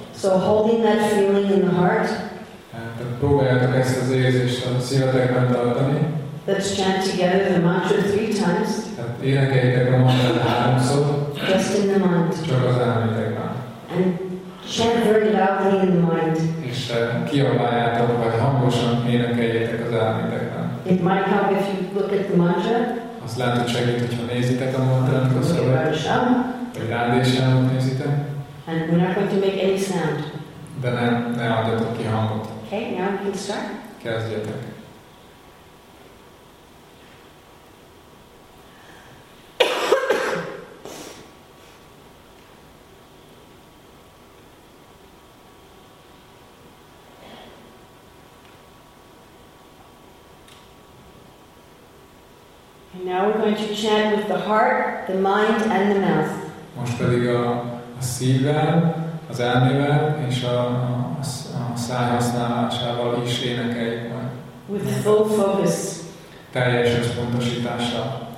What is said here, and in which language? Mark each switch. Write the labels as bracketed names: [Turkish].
[English] So holding that feeling in the heart. [Hungarian] Tehát próbáljátok ezt az érzést a szívetekben tartani. [English] Let's chant together the mantra three times. [Hungarian] Tehát énekeljétek a mantrát háromszor. [English] Just in the mind. [Hungarian] Csak az elmétekben. [English] Chant very loudly in the mind. [Hungarian] És kiabáljátok, vagy hangosan énekeljétek az elmétekben. [English] It might help if you look at the mantra. [Hungarian] Azt lehet, hogy segít, hogyha nézitek a mantrát, a szövet, vagy rádésámot nézitek. [English] And we're not going to make any sound. [Hungarian] De ne adjatok ki hangot. [English] Okay, now we can start. [Hungarian] Kezdjetek. [English] Now we're going to chant with the heart, the mind, and the mouth. [Hungarian] Most pedig a szívvel, az elmével és a száj használásával is énekeljük majd. [English] With full focus. [Hungarian] Teljes összpontosítással.